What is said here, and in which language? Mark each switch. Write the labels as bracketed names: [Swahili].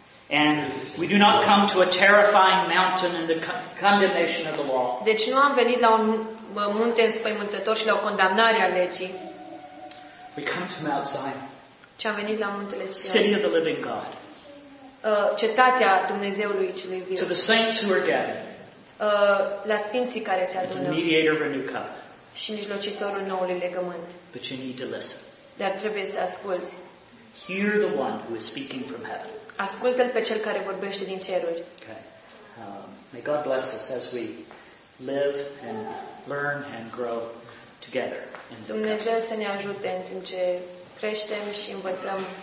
[English] And we do not come to a terrifying mountain and the condemnation of the law. [Romanian] Deci nu am venit la un munte înspăimântător și la o condamnare a legii. [English] We come to Mount Zion. [Romanian] Ci am venit la muntele Sion. [English] City of the living God. [Romanian] Cetatea Dumnezeului celui viu. [English] To the saints who are gathered. [Romanian] La sfinții care se adună. [English] The mediator of a new covenant. [Romanian] Și mijlocitorul noului legământ. [English] But you need to listen. [Romanian] Dar trebuie să asculți. [English] Hear the one who is speaking from heaven. [Romanian] Ascultă-l pe cel care vorbește din ceruri. [English] Okay. May God bless us as we live and learn and grow together. [Romanian] Dumnezeu să ne ajute în timp ce creștem și învățăm.